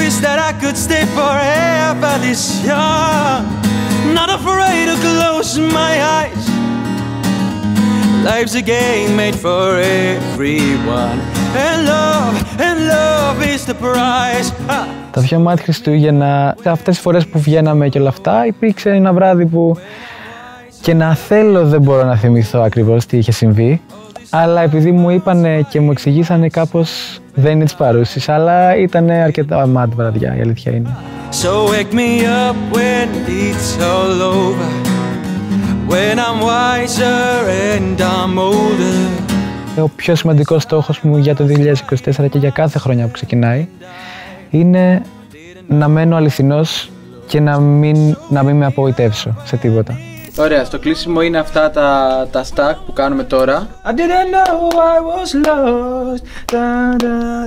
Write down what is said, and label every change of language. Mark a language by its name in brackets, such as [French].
[English] That I could stay forever this young, not afraid to close my eyes. Life's a game made for everyone, and love is the prize. [Greek] Τα πιο μάτια Χριστούγεννα, αυτές τις φορές που βγαίναμε και όλα αυτά, υπήρξε ένα βράδυ που και να θέλω δεν μπορώ να θυμηθώ ακριβώς τι είχε συμβεί. Αλλά επειδή μου είπανε και μου εξηγήσανε κάπως, δεν είναι της παρούσης, αλλά ήτανε αρκετά mad βραδιά, η αλήθεια είναι. [English] So wake me up when it's all over, when I'm wiser and I'm older. [Greek] Ο πιο σημαντικός στόχος μου για το 2024 και για κάθε χρόνια που ξεκινάει είναι να μένω αληθινός και να μην με απογοητεύσω σε τίποτα. Ωραία, στο κλείσιμο είναι αυτά τα stack που κάνουμε τώρα. [English] I didn't know I was lost. Da, da,